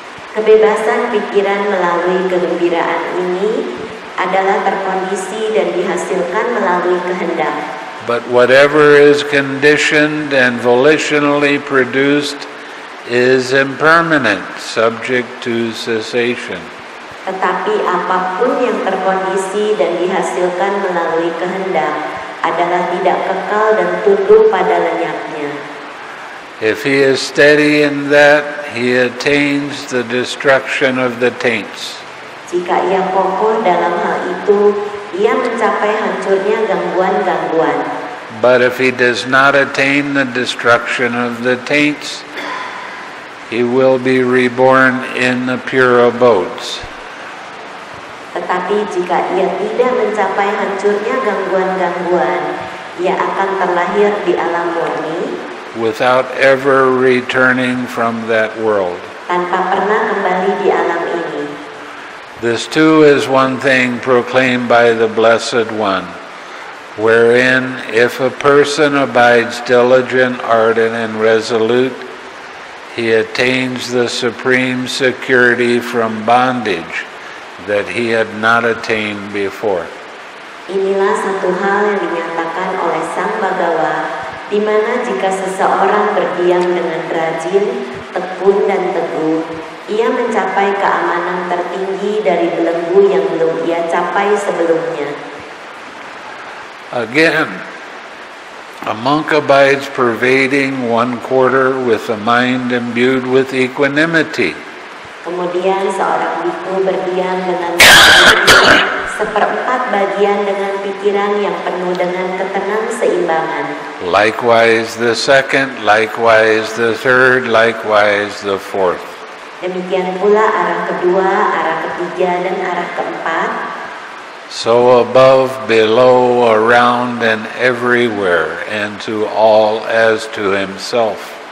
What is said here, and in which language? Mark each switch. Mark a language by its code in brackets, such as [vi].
[id] Kebebasan pikiran melalui kegembiraan ini adalah terkondisi dan dihasilkan melalui kehendak. [en] But whatever is conditioned and volitionally produced is impermanent, subject to cessation. [id] Tetapi apapun yang terkondisi dan dihasilkan melalui kehendak adalah tidak kekal dan tunduk pada lenyapnya. [en] If he is steady in that, he attains the destruction of the taints. [id] Jika ia kokoh dalam hal itu, ia mencapai hancurnya gangguan-gangguan. [en] But if he does not attain the destruction of the taints, he will be reborn in the pure abodes. [id] Tetapi jika ia tidak mencapai hancurnya gangguan-gangguan, ia akan terlahir di alam murni [en] without ever returning from that world. [id] Tanpa pernah kembali di alam ini. [en] This too is one thing proclaimed by the Blessed One, wherein if a person abides diligent, ardent, and resolute, he attains the supreme security from bondage that he had not attained before. [id] Inilah satu hal yang dinyatakan oleh Sang Bhagawa, di mana jika seseorang berdiam dengan rajin, tekun dan teguh, ia mencapai keamanan tertinggi dari belenggu yang belum ia capai sebelumnya. [en] Again, a monk abides pervading one quarter with a mind imbued with equanimity. [id] Kemudian seorang biku berdiam dengan pikiran, seperempat bagian dengan pikiran yang penuh dengan ketenang seimbangan. [en] Likewise the second, likewise the third, likewise the fourth. [id] Demikian pula arah kedua, arah ketiga, dan arah keempat. [en] So above, below, around, and everywhere, and to all as to himself.